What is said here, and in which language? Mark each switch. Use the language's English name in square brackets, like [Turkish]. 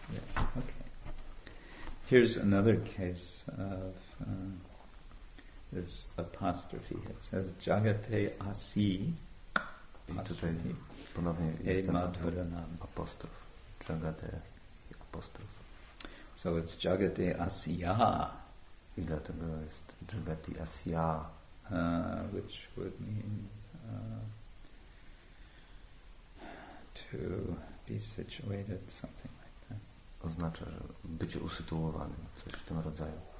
[English] Yeah, okay. Here's another case of this apostrophe. It says jagate asi. [Polish] I tutaj ponownie jest ten apostrof. Jagate apostrof. [English] So it's jagate asya. [Polish] I dlatego jest jagate asya. [English] Which would mean to be situated, something like that. [Polish] Oznacza, że być usytuowanym, coś w tym rodzaju.